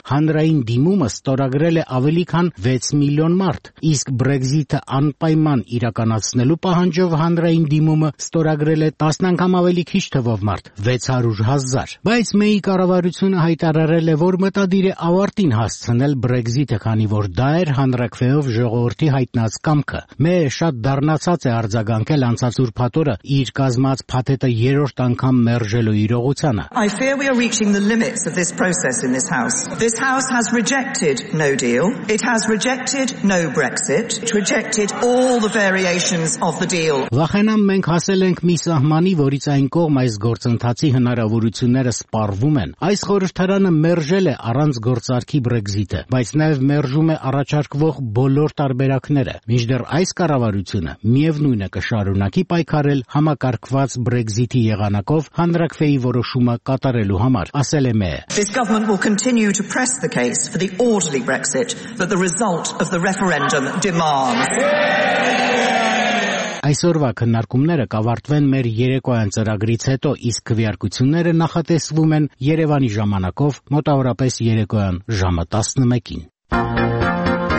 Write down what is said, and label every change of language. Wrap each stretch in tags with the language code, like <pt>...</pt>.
<hy>հանրային դիմումը ստորագրել է ավելի քան 6 միլիոն մարդ, իսկ Brexit-ը անպայման իրականացնելու պահանջով հանրային դիմումը ստորագրել է 10 անգամ ավելի քիչ թվով մարդ, 600,000։ Բայց Մեյի կառավարությունը հայտարարել է, որ մտադիր է ավարտին հասցնել Brexit-ը, քանի որ դա էր հանրակվեով ժողովրդի հայտնած կամքը։ Մեյը շատ դառնացած է արձագանքել անցած ուրբաթորը իր կազմած փաթեթը երրորդ անգամ մերժելու իրողությանը։</hy> <en>I fear we are reaching the limits of this process in this House. This House has rejected no deal. It has rejected no Brexit. It rejected all the variations of the deal.</en> <hy>Վախենամ մենք հասել ենք մի սահմանի, որից այն կողմ այս գործընթացի հնարավորությունները սպառվում են։ Այս խորհրդարանը մերժել է առանց գործարքի Brexit-ը, բայց նաև մերժում է առաջարկվող բոլոր տարբերակները։ Մինչդեռ այս կառավարությունը միևնույնը կշարունակի պայքարել համակարգված Brexit-ի եղանակով հանրակրթեի որոշումը կատարելու համար, ասել է Մեյը։</hy> <en>This government will continue to press the case for the orderly Brexit that the result of the referendum demands.</en> <hy>Այսօրվա քննարկումները կավարտվեն մեր երեկոյան ծրագրից հետո, իսկ քվեարկությունները նախատեսվում են Երևանի ժամանակով մոտավորապես երեկոյան ժամը 11-ին։</hy>